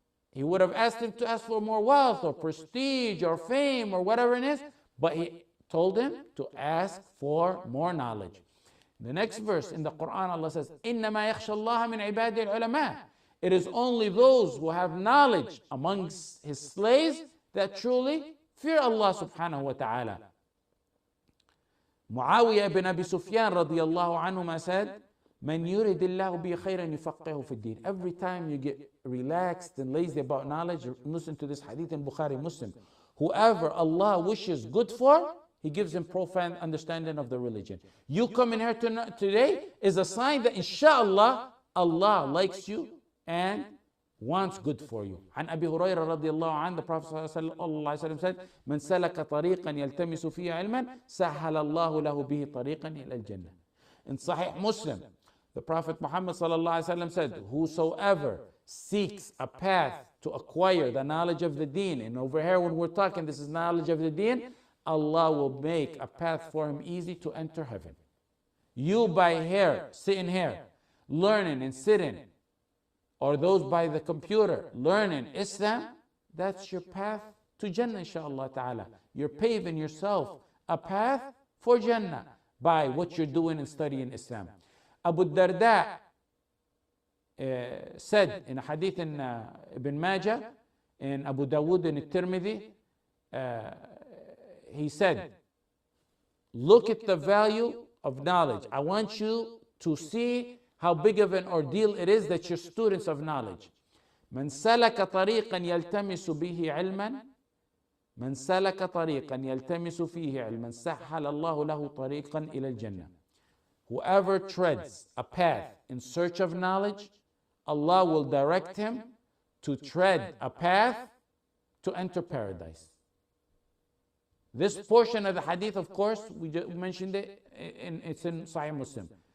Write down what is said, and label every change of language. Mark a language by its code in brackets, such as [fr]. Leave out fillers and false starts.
[en] He would have asked him to ask for more wealth or prestige or fame or whatever it is, but He told him to ask for more knowledge. The next verse in the Quran, Allah says, [ar] إِنَّمَا يَخْشَ اللَّهَ مِنْ عِبَادِ الْعُلَمَاءِ. [en] It is only those who have knowledge amongst His slaves that truly fear Allah subhanahu wa ta'ala. [ar] Muawiyah ibn Abi Sufyan radiallahu anhuma [en] said, [ar] مَنْ يُرِدِ اللَّهُ بِي خَيْرًا يُفَقِّهُ فِي الدِّينِ. [en] Every time you get relaxed and lazy about knowledge, listen to this hadith in Bukhari Muslim. Whoever Allah wishes good for, He gives him profound understanding of the religion. You coming here today is a sign that inshallah, Allah likes you and wants good for you. [ar] An Abi Huraira radiallahu anhu, [en] the Prophet [ar] sallallahu alayhi wa sallam [en] said, [ar] من سلك طريقا يلتمس فيه علما سهل الله له به طريقا إلى الجنة. [en] In Sahih Muslim, the Prophet Muhammad sallallahu alayhi wa sallam said, whosoever seeks a path to acquire the knowledge of the deen. And over here, when we're talking, this is knowledge of the deen, Allah will make a path for him easy to enter heaven. You by here, sitting here, learning and sitting, or those by the computer, learning Islam, that's your path to Jannah, inshaAllah ta'ala. You're paving yourself a path for Jannah by what you're doing and studying Islam. Abu Darda said in a hadith in Ibn Majah, in Abu Dawood in Tirmidhi, he said, look at the value of knowledge. I want you to see how big of an ordeal it is that you're students of knowledge. [ar] من سلك طريقا يلتمس به علما من سلك طريقا يلتمس فيه علما سهل الله له طريقا إلى الجنة. [en] Whoever treads a path in search of knowledge, Allah will direct him to tread a path to enter paradise. This portion of the hadith, of course, we mentioned it, it's in Sahih Muslim.